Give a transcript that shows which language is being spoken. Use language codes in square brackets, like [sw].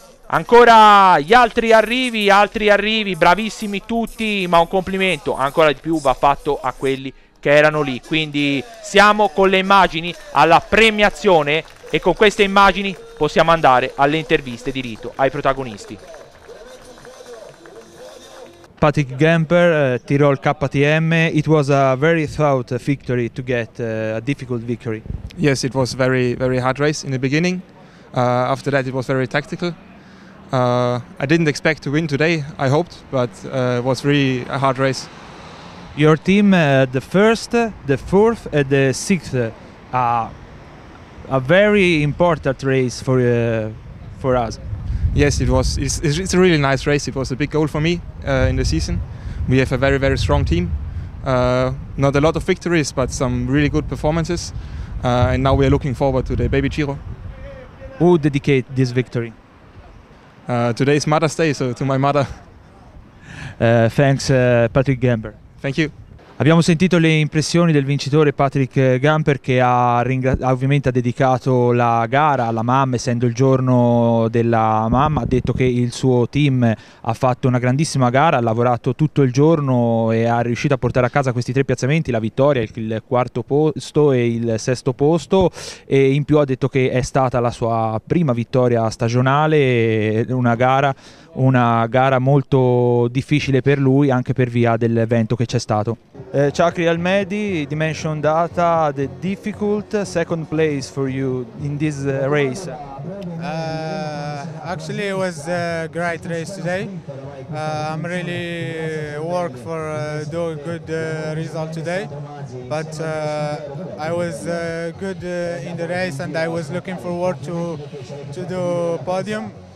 [it] Ancora gli altri arrivi, bravissimi tutti, ma un complimento ancora di più va fatto a quelli che erano lì. Quindi siamo con le immagini alla premiazione e con queste immagini possiamo andare alle interviste di rito ai protagonisti. [en] Patrick Gamper, Tirol KTM, it was a very thought victory to get a difficult victory. Yes, it was very very hard race in the beginning, after that it was very tactical. I didn't expect to win today, I hoped, but it was really a hard race. Your team had the first, the fourth and the sixth, a very important race for us. Yes, it's a really nice race. It was a big goal for me in the season. We have a very, very strong team. Not a lot of victories, but some really good performances. And now we are looking forward to the Baby Giro. Who dedicate this victory? Today is Mother's Day, so to my mother. Thanks Patrick Gamper. Thank you. [it] Abbiamo sentito le impressioni del vincitore Patrick Gamper, che ha ovviamente dedicato la gara alla mamma, essendo il giorno della mamma. Ha detto che il suo team ha fatto una grandissima gara, ha lavorato tutto il giorno e ha riuscito a portare a casa questi tre piazzamenti, la vittoria, il quarto posto e il sesto posto, e in più ha detto che è stata la sua prima vittoria stagionale, una gara molto difficile per lui, anche per via del vento che c'è stato. [en] Ciocri El Medi, Dimension Data, the difficult second place for you in this race. Actually, it was a great race today. I'm really work for doing good result today, but I was good in the race and I was looking forward to do podium.